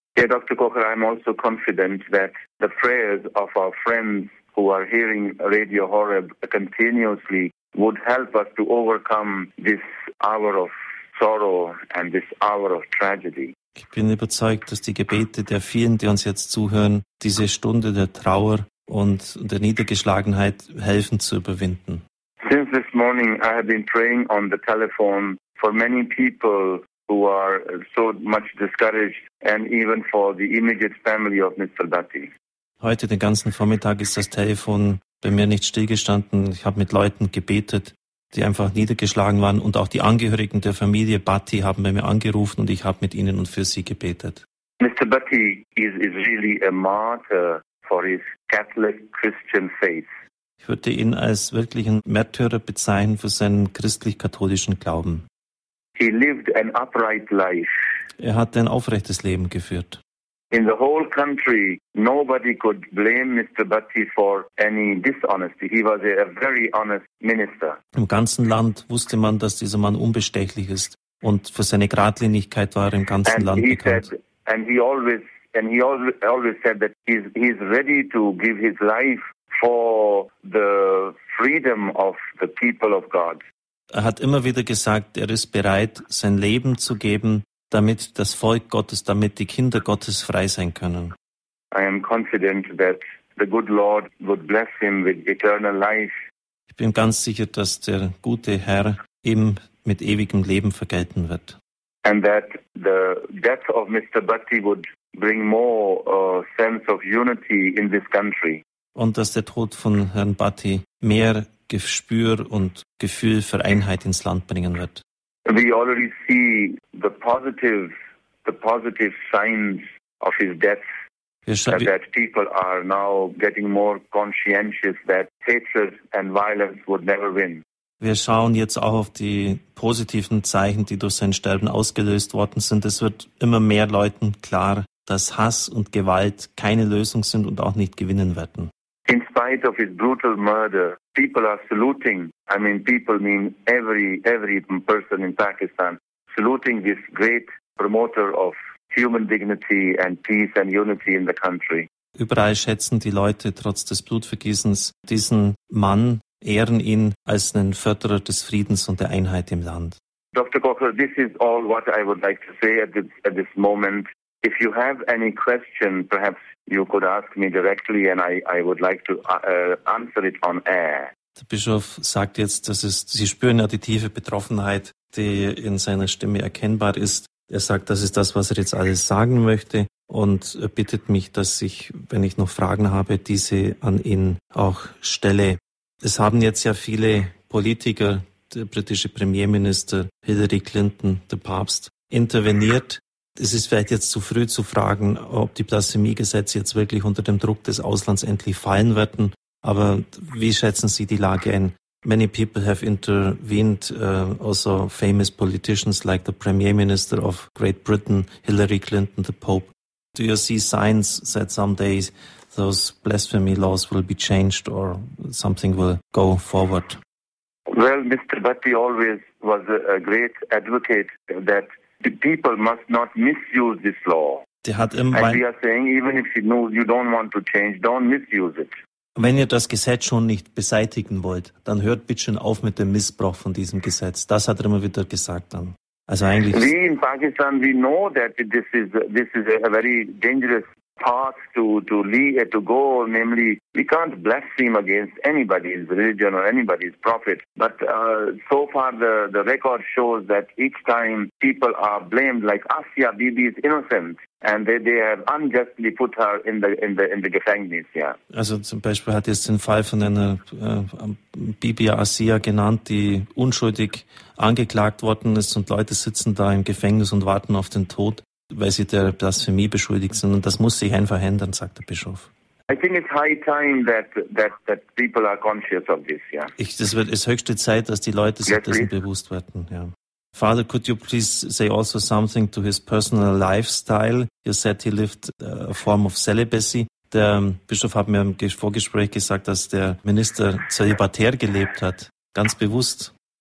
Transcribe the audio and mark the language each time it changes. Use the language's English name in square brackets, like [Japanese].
[English] Yeah, Dr. Kocher, I'm also confident that the prayers of our friends who are hearing Radio Horeb continuously would help us to overcome this hour of sorrow and this hour of tragedy. [German] Ich bin überzeugt, dass die Gebete der vielen, die uns jetzt zuhören, diese Stunde der Trauer und der Niedergeschlagenheit helfen zu überwinden. [English] Since this morning I have been praying on the telephone for many people who are so much discouraged and even for the immediate family of Mr. Dutty. [German] Heute den ganzen Vormittag ist das Telefon bei mir nicht stillgestanden. Ich habe mit Leuten gebetet, die einfach niedergeschlagen waren, und auch die Angehörigen der Familie Batty haben bei mir angerufen und ich habe mit ihnen und für sie gebetet. [English] Mr. Batty is really a martyr for his Catholic Christian faith. [German] Ich würde ihn als wirklichen Märtyrer bezeichnen für seinen christlich-katholischen Glauben. [English] He lived an upright life. [German] Er hat ein aufrechtes Leben geführt. [English] In the whole country, nobody could blame Mr. Batty for any dishonesty. He was a very honest minister. [German] Im ganzen Land wusste man, dass dieser Mann unbestechlich ist. Und für seine Gradlinigkeit war er im ganzen Land bekannt. [English] And he always said that he's ready to give his life for the freedom of the people of God. [German] Er hat immer wieder gesagt, er ist bereit, sein Leben zu geben, damit das Volk Gottes, damit die Kinder Gottes frei sein können. [English] I am confident that the good Lord would bless him with eternal life. [German] Ich bin ganz sicher, dass der gute Herr ihm mit ewigem Leben vergelten wird. [English] And that the death of Mr. Batty would bring more sense of unity in this country. [German] Und dass der Tod von Herrn Batty mehr Gespür und Gefühl für Einheit ins Land bringen wird. [English] We already see the positive signs of his death, that people are now getting more conscientious that hatred and violence would never win. [German] Wir schauen jetzt auch auf die positiven Zeichen, die durch sein Sterben ausgelöst worden sind. Es wird immer mehr Leuten klar, dass Hass und Gewalt keine Lösung sind und auch nicht gewinnen werden. [English] In spite of his brutal murder, people are saluting. I mean, people mean every person in Pakistan, saluting this great promoter of human dignity and peace and unity in the country. [German] Überall schätzen die Leute trotz des Blutvergießens diesen Mann, ehren ihn als einen Förderer des Friedens und der Einheit im Land. [English] Dr. Kocher, this is all what I would like to say at this moment. If you have any question, perhaps you could ask me directly and I would like to answer it on air. [German] Der Bischof sagt jetzt, Sie spüren ja die tiefe Betroffenheit, die in seiner Stimme erkennbar ist. Er sagt, das ist das, was er jetzt alles sagen möchte, und er bittet mich, dass ich, wenn ich noch Fragen habe, diese an ihn auch stelle. Es haben jetzt ja viele Politiker, der britische Premierminister, Hillary Clinton, der Papst, interveniert. Es ist vielleicht jetzt zu früh zu fragen, ob die Blasphemiegesetze jetzt wirklich unter dem Druck des Auslands endlich fallen werden. Aber wie schätzen Sie die Lage ein? [English] Many people have intervened, also famous politicians like the Premier Minister of Great Britain, Hillary Clinton, the Pope. Do you see signs that someday those blasphemy laws will be changed or something will go forward? Well, Mr. Batty always was a great advocate that the people must not misuse this law. And we are saying, even if you don't want to change, don't misuse it. [German] Wenn ihr das Gesetz schon nicht beseitigen wollt, dann hört bitte schon auf mit dem Missbrauch von diesem Gesetz. Das hat er immer wieder gesagt dann. Also eigentlich. [English] We in Pakistan, we know that this is a very dangerous path to go. Namely, we can't blaspheme against anybody's religion or anybody's prophet. But so far the record shows that each time people are blamed, like Asia Bibi is innocent. And they have unjustly put her in the Gefängnis, yeah. [German] Also zum Beispiel hat jetzt den Fall von einer Bibia Asia genannt, die unschuldig angeklagt worden ist, und Leute sitzen da im Gefängnis und warten auf den Tod, weil sie der Blasphemie beschuldigt sind. Und das muss sich einfach ändern, sagt der Bischof. [English] I think it's high time that people are conscious of this, yeah. [German] Es ist höchste Zeit, dass die Leute sich dessen bewusst werden, ja. [English] Father, could you please say also something to his personal lifestyle? You said he lived a form of celibacy. [German] Der Bischof hat mir im Vorgespräch gesagt, dass der Minister zölibatär gelebt hat, ganz bewusst.